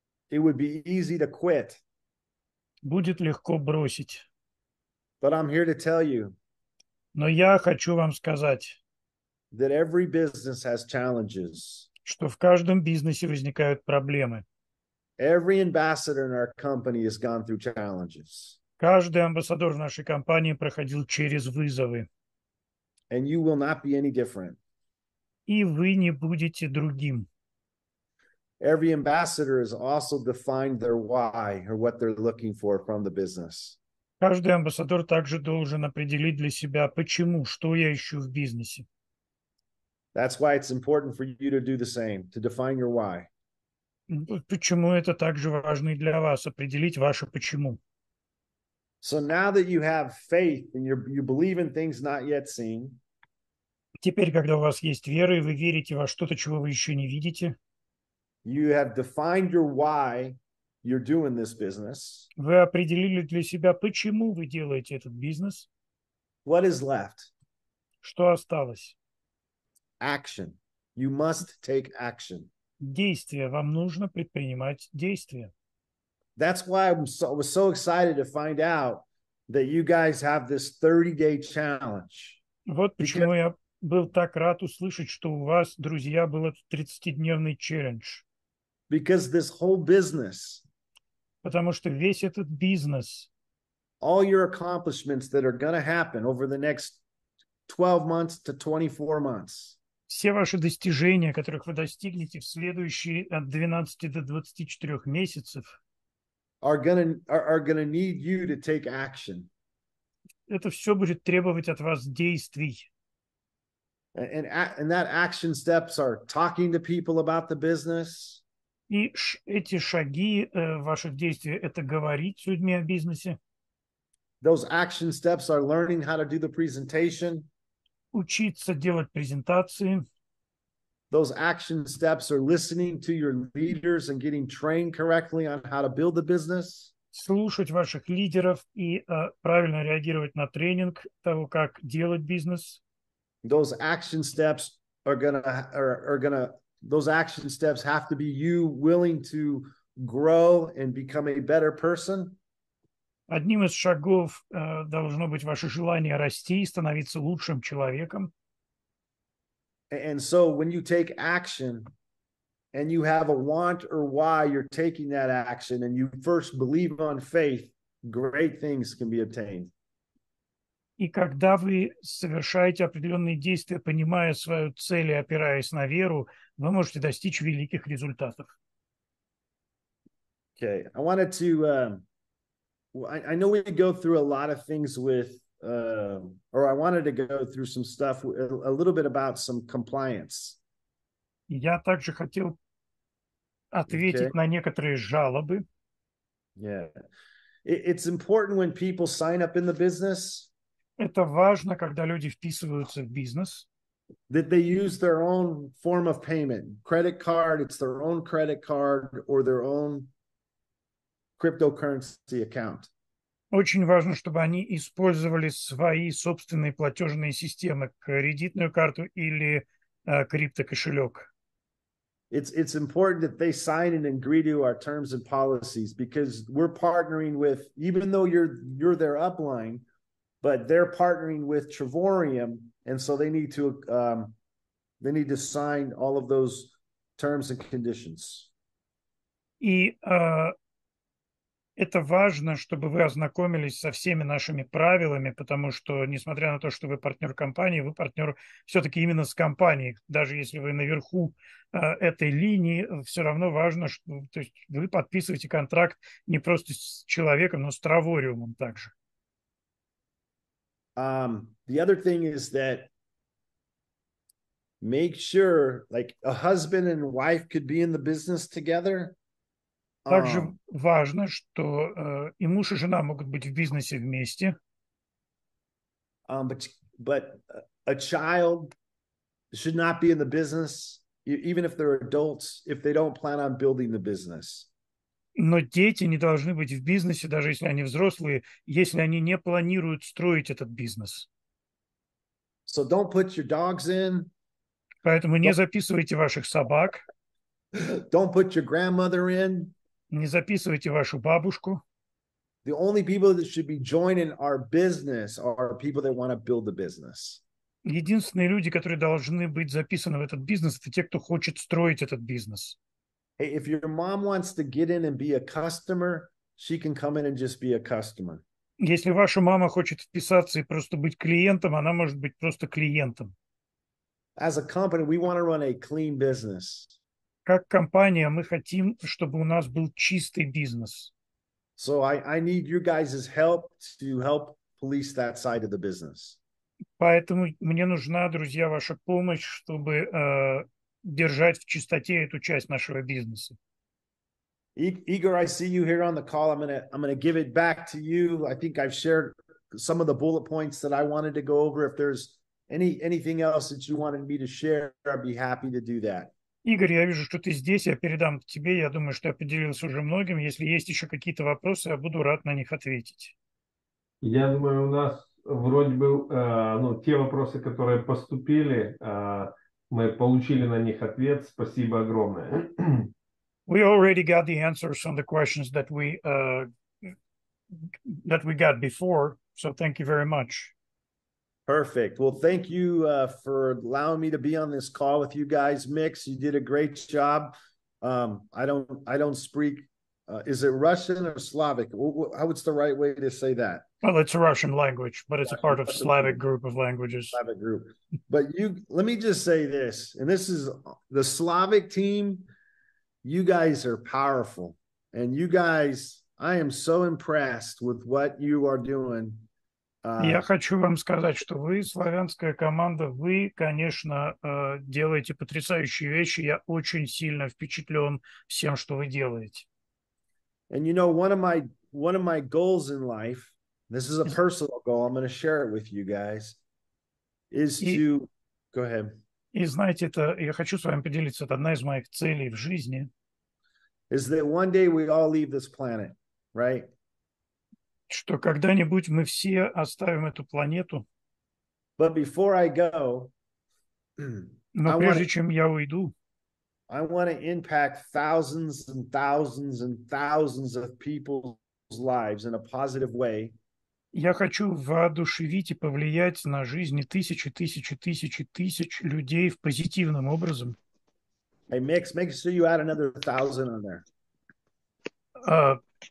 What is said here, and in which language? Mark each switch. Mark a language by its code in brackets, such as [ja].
[en] It would be easy to quit. [ru] Будет легко бросить. [en] But I'm here to tell you. [ru] Но я хочу вам сказать, [en] that every business has challenges. [ru] Что в каждом бизнесе возникают проблемы. [en] Every ambassador in our company has gone through challenges. [ru] Каждый амбассадор в нашей компании проходил через вызовы. [en] And you will not be any different. [ru] И вы не будете другим. [en] Every ambassador has also defined their why or what they're looking for from the business. [ru] Каждый амбассадор также должен определить для себя, почему, что я ищу в бизнесе. [en] That's why it's important for you to do the same, to define your why. [ru] Почему это также важно и для вас, определить ваше почему. [en] So now that you have faith and you believe in things not yet seen. [ru] Теперь, когда у вас есть вера и вы верите во что-то, чего вы еще не видите. [en] You have defined your why you're doing this business. [ru] Вы определили для себя, почему вы делаете этот бизнес. [en] What is left? [ru] Что осталось? [en] Action. You must take action. [ru] Действие. Вам нужно предпринимать действие. [en] That's why I was so excited to find out that you guys have this 30-day challenge. [ru] Вот почему я был так рад услышать, что у вас, друзья, был этот 30-дневный челлендж. [en] Because this whole business. [ru] Потому что весь этот бизнес. [en] All your accomplishments that are going to happen over the next 12 months to 24 months. [ru] Все ваши достижения, которых вы достигнете в следующие от 12 до 24 месяцев. [en] Are gonna need you to take action. [ru] Это все будет требовать от вас действий. [en] And that action steps are talking to people about the business. [ru] И эти шаги ваших действий – это говорить с людьми о бизнесе. [en] Those action steps are learning how to do the presentation. [ru] Учиться делать презентации. [en] Those action steps are listening to your leaders and getting trained correctly on how to build the business. [ru] Слушать ваших лидеров и правильно реагировать на тренинг того, как делать бизнес. [en] Those action steps are gonna. Those action steps have to be you willing to grow and become a better person. [ru] Одним из шагов должно быть ваше желание расти и становиться лучшим человеком. [en] And so when you take action and you have a want or why you're taking that action and you first believe on faith, great things can be obtained. [ru] И когда вы совершаете определенные действия, понимая свою цель и опираясь на веру, вы можете достичь великих результатов. [en] Okay, I wanted to... I know we go through a lot of things with... or I wanted to go through some stuff, a little bit about some compliance. [ru] Я также хотел ответить на некоторые жалобы. [en] Yeah. It's important when people sign up in the business. [ru] Это важно, когда люди вписываются в бизнес. [en] That they use their own form of payment. Credit card, it's their own credit card or their own cryptocurrency account. [ru] Очень важно, чтобы они использовали свои собственные платежные системы, кредитную карту или криптокошелек. [en] It's important that they sign and agree to our terms and policies because we're partnering with, even though you're their upline, but they're partnering with Trevorium, and so they need to sign all of those terms and conditions. [ru] И это важно, чтобы вы ознакомились со всеми нашими правилами, потому что, несмотря на то, что вы партнер компании, вы партнер все-таки именно с компанией. Даже если вы наверху этой линии, все равно важно, что, то есть вы подписываете контракт не просто с человеком, но с Травориумом также. [en] The other thing is that make sure, like a husband and wife could be in the business together. [ru] Также важно, что и муж, и жена могут быть в бизнесе вместе. [en] But a child should not be in the business, even if they're adults, if they don't plan on building the business. [ru] Но дети не должны быть в бизнесе, даже если они взрослые, если они не планируют строить этот бизнес. [en] So don't put your dogs in. [ru] Поэтому не записывайте ваших собак. [en] Don't put your grandmother in. [ru] Не записывайте вашу бабушку. [en] The only people that should be joining our business are people that want to build the business. [ru] Единственные люди, которые должны быть записаны в этот бизнес, это те, кто хочет строить этот бизнес. [en] Hey, if your mom wants to get in and be a customer, she can come in and just be a customer. [ru] Если ваша мама хочет вписаться и просто быть клиентом, она может быть просто клиентом. [en] As a company, we want to run a clean business. [ru] Как компания, мы хотим, чтобы у нас был чистый бизнес. [en] So I need your guys' help to help police that side of the business. [ru] Поэтому мне нужна, друзья, ваша помощь, чтобы держать в чистоте эту часть нашего бизнеса. [en] Igor, I see you here on the call. I'm gonna give it back to you. I think I've shared some of the bullet points that I wanted to go over. If there's anything else that you wanted me to share, I'd be happy to do that. [ru] Игорь, я вижу, что ты здесь. Я передам к тебе. Я думаю, что я поделился уже многим. Если есть еще какие-то вопросы, я буду рад на них ответить. Я думаю, у нас вроде бы те вопросы, которые поступили, мы получили на них ответ. Спасибо огромное. [en] We already got the answers on the questions that we got before. So thank you very much. Perfect. Well, thank you for allowing me to be on this call with you guys. Mix, you did a great job. I don't speak. Is it Russian or Slavic? What's the right way to say that? Well, it's a Russian language, but it's a part of Slavic group of languages. Slavic group. But let me just say this, and this is the Slavic team. You guys are powerful, and you guys, I am so impressed with what you are doing. [ru] Я хочу вам сказать, что вы, славянская команда, вы, конечно, делаете потрясающие вещи. Я очень сильно впечатлен всем, что вы делаете. [en] And you know, one of my goals in life, this is a personal goal, I'm going to share it with you guys, go ahead. [ru] И знаете, я хочу с вами поделиться, это одна из моих целей в жизни. [en] Is that one day we all leave this planet, right? [ru] Что когда-нибудь мы все оставим эту планету. [en] But before I go, [ru] но прежде чем я уйду, [en] I want to impact thousands and thousands and thousands of people's lives in a positive way. [ru] Я хочу воодушевить и повлиять на жизни тысячи, тысячи, тысячи, тысяч людей в позитивном образом. [en] Hey, Mix, make sure you add another 1,000 on there.